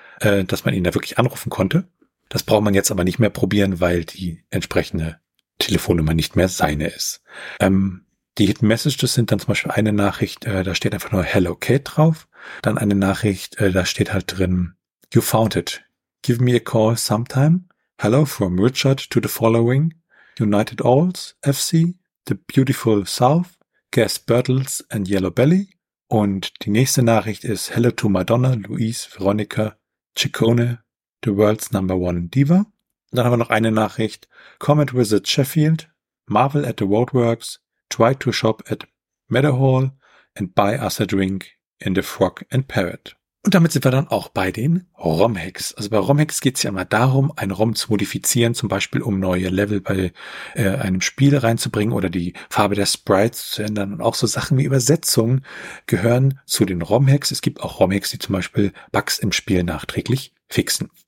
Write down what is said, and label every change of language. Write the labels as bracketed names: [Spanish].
[German] dass man ihn da wirklich anrufen konnte. Das braucht man jetzt aber nicht mehr probieren, weil die entsprechende Telefonnummer nicht mehr seine ist. Die Hidden Messages sind dann zum Beispiel eine Nachricht, da steht einfach nur [English] Hello Kate [German] drauf. Dann eine Nachricht, da steht halt drin, [English] You found it. Give me a call sometime. Hello from Richard to the following. United Owls, FC, The Beautiful South, Gas Bertels and Yellow Belly. [German] Und die nächste Nachricht ist [English] Hello to Madonna, Louise, Veronica, Ciccone, The World's Number One Diva. [German] Dann haben wir noch eine Nachricht. [English] Comet Wizard Sheffield, Marvel at the Worldworks, try to shop at Meadowhall and buy us a drink in the Frog and Parrot. [German] Und damit sind wir dann auch bei den Rom-Hacks. Also bei Rom-Hacks geht es ja immer darum, einen Rom zu modifizieren, zum Beispiel um neue Level bei einem Spiel reinzubringen oder die Farbe der Sprites zu ändern. Und auch so Sachen wie Übersetzung gehören zu den Rom-Hacks. Es gibt auch Rom-Hacks, die zum Beispiel Bugs im Spiel nachträglich fixen.